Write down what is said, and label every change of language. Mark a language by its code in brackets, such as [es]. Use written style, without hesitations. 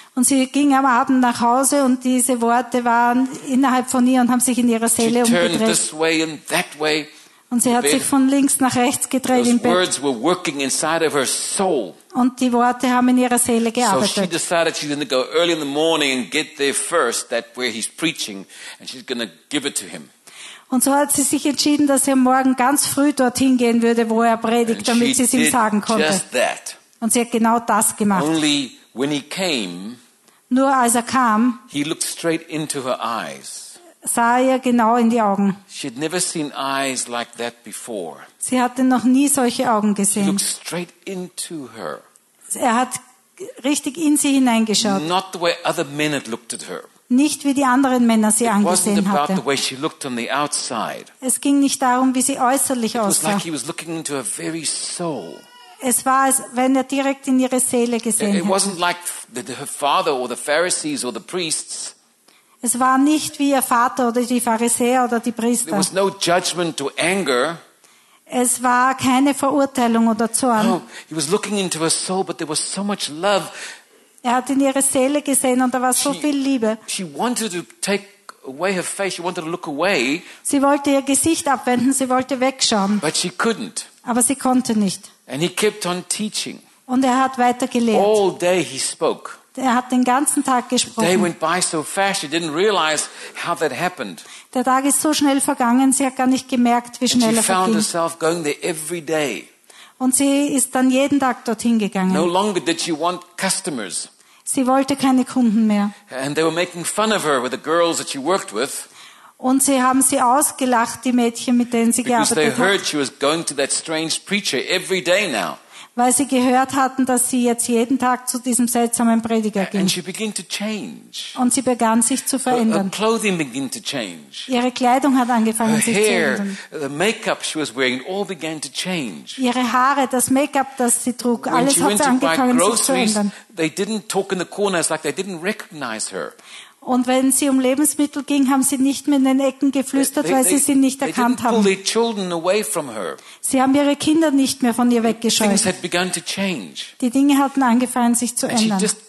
[de] Und sie ging am Abend nach Hause und diese Worte waren innerhalb von ihr und haben sich in ihrer Seele umgedreht. [en] She turned this way and that way. [de] Und sie hat sich von links nach rechts gedreht [en] those [de] im Bett. [en] Words were working inside of her soul. [de] Und die Worte haben in ihrer Seele gearbeitet. [en] So she decided she's going to go early in the morning and get there first, that where he's preaching, and she's going to give it to him. [de] Und so hat sie sich entschieden, dass sie am Morgen ganz früh dorthin gehen würde, wo er predigt, damit sie es ihm sagen konnte. [en] Just that. [de] Und sie hat genau das gemacht. [en] Only when he came, [de] nur als er kam, [en] he looked straight into her eyes. [de] Sah ihr genau in die Augen. [en] She had never seen eyes like that before. [de] Sie hatte noch nie solche Augen gesehen. [en] He looked straight into her. [de] Er hat richtig in sie hineingeschaut. [en] Not the way other men had looked at her. [de] Nicht wie die anderen Männer sie angesehen hatten. [en] It wasn't about the way she looked on the outside. [de] Es ging nicht darum, wie sie äußerlich aussah. [en] It was like he was looking into her very soul. [de] Es war, als wenn er direkt in ihre Seele gesehen hätte. [en] It wasn't like her father or the Pharisees or the priests. [de] Es war nicht wie ihr Vater oder die Pharisäer oder die Priester. [en] There was no judgment or anger. [de] Es war keine Verurteilung oder Zorn. [en] No, he was looking into her soul, but there was so much love. [de] Er hat in ihre Seele gesehen und da war so viel Liebe. [en] She wanted to take away her face. She wanted to look away. [de] Sie wollte ihr Gesicht abwenden. Sie wollte wegschauen. [en] But she couldn't. [de] Aber sie konnte nicht. [en] And he kept on teaching. [de] Und er hat weiter gelehrt. [en] All day he spoke. [de] Er hat den ganzen Tag gesprochen. [en] The day went by so fast, she didn't realize how that happened. [de] Der Tag ist so schnell vergangen, sie hat gar nicht gemerkt, wie schnell er verging. [en] And she found herself going there every day. [de] Und sie ist dann jeden Tag dorthin gegangen. [en] No longer did she want customers. [de] Sie wollte keine Kunden mehr. [en] And they were making fun of her with the girls that she worked with. [de] Und sie haben sie ausgelacht, die Mädchen, mit denen sie gearbeitet hat. [en] Because they heard she was going to that strange preacher every day now. [de] weil sie gehört hatten, dass sie jetzt jeden Tag zu diesem seltsamen Prediger ging. [en] And she began to change. [de] Und sie begann sich zu verändern. [en] Her clothing began to change. [de] Ihre Kleidung hat angefangen sich zu ändern. [en] The makeup she was wearing, all began to change. [de] Ihre Haare, das Make-up, das sie trug, alles hat angefangen sich zu ändern. [en] They didn't talk in the corners like they didn't recognize her. [de] Und wenn sie um Lebensmittel ging, haben sie nicht mehr in den Ecken geflüstert, weil sie sie nicht erkannt haben. Sie haben ihre Kinder nicht mehr von ihr weggescheucht. Die Dinge hatten angefangen, sich zu ändern.